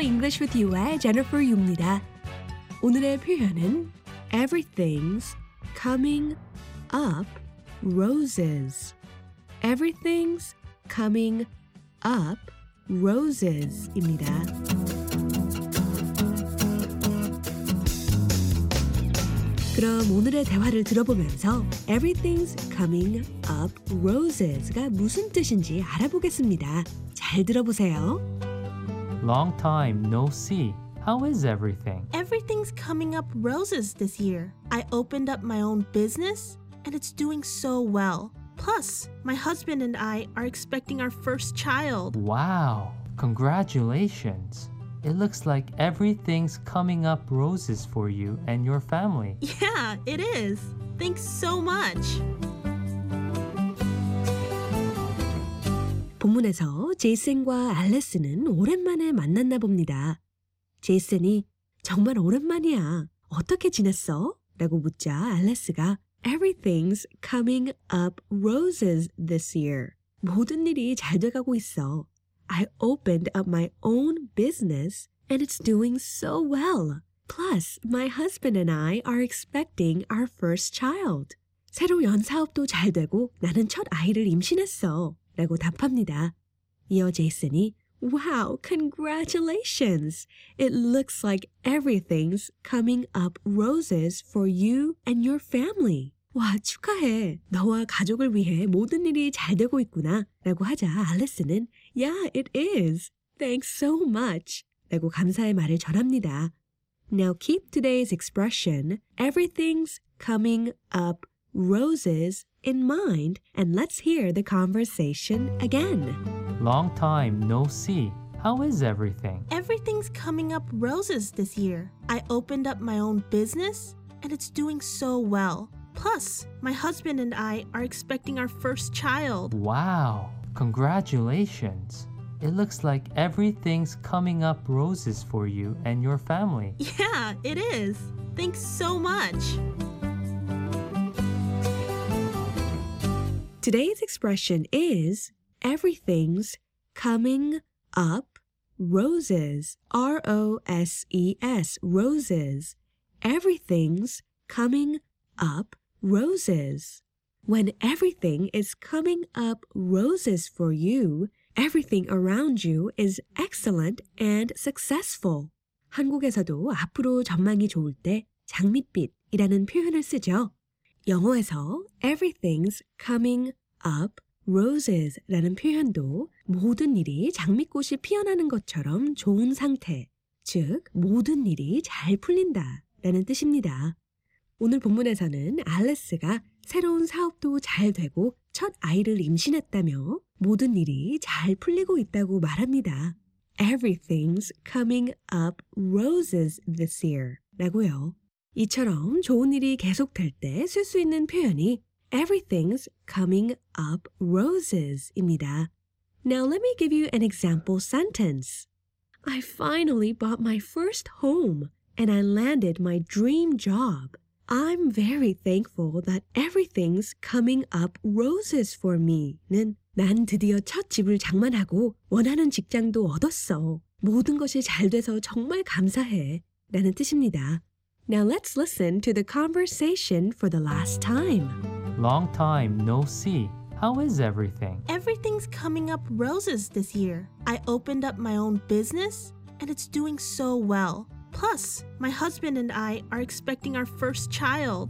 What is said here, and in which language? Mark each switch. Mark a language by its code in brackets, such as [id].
[ko] English with you의 Jennifer Yu입니다. 오늘의 표현은 [en] Everything's coming up roses. Everything's coming up roses [ko] 입니다. 그럼 오늘의 대화를 들어보면서 [en] Everything's coming up roses [ko] 가 무슨 뜻인지 알아보겠습니다. 잘 들어보세요. [en] Long time no see. How is everything? Everything's coming up roses this year. I opened up my own business and it's doing so well. Plus, my husband and I are expecting our first child. Wow, congratulations. It looks like everything's coming up roses for you and your family. Yeah, it is. Thanks so much. [ko] 본문에서 제이슨과 알레스는 오랜만에 만났나 봅니다. 제이슨이 정말 오랜만이야. 어떻게 지냈어? 라고 묻자 알레스가 [en] Everything's coming up roses this year. [ko] 모든 일이 잘 돼가고 있어. [en] I opened up my own business and it's doing so well. Plus, my husband and I are expecting our first child. [ko] 새로 연 사업도 잘 되고 나는 첫 아이를 임신했어. 라고 답합니다. 이어 제이슨이 [en] Wow, congratulations! It looks like everything's coming up roses for you and your family. [ko] 와, 축하해. 너와 가족을 위해 모든 일이 잘 되고 있구나. 라고 하자 알레스는 [en] Yeah, it is. Thanks so much. [ko] 라고 감사의 말을 전합니다. [en] Now keep today's expression, everything's coming up roses in mind, and let's hear the conversation again. Long time no see. How is everything? Everything's coming up roses this year. I opened up my own business, and it's doing so well. Plus, my husband and I are expecting our first child. Wow, congratulations. It looks like everything's coming up roses for you and your family. Yeah, it is. Thanks so much. Today's expression is everything's coming up roses. R-O-S-E-S, roses. Everything's coming up roses. When everything is coming up roses for you, everything around you is excellent and successful. [ko] 한국에서도 앞으로 전망이 좋을 때 장밋빛이라는 표현을 쓰죠. 영어에서 [en] everything's coming up roses [ko] 라는 표현도 모든 일이 장미꽃이 피어나는 것처럼 좋은 상태, 즉 모든 일이 잘 풀린다라는 뜻입니다. 오늘 본문에서는 알레스가 새로운 사업도 잘 되고 첫 아이를 임신했다며 모든 일이 잘 풀리고 있다고 말합니다. [en] Everything's coming up roses this year [ko] 라고요. 이처럼 좋은 일이 계속될 때 쓸 수 있는 표현이 [en] Everything's coming up roses [ko] 입니다. [en] Now let me give you an example sentence. I finally bought my first home and I landed my dream job. I'm very thankful that everything's coming up roses for me. [ko] 는 난 드디어 첫 집을 장만하고 원하는 직장도 얻었어. 모든 것이 잘 돼서 정말 감사해. 라는 뜻입니다. [en] Now let's listen to the conversation for the last time. Long time no see. How is everything? Everything's coming up roses this year. I opened up my own business and it's doing so well. Plus, my husband and I are expecting our first child.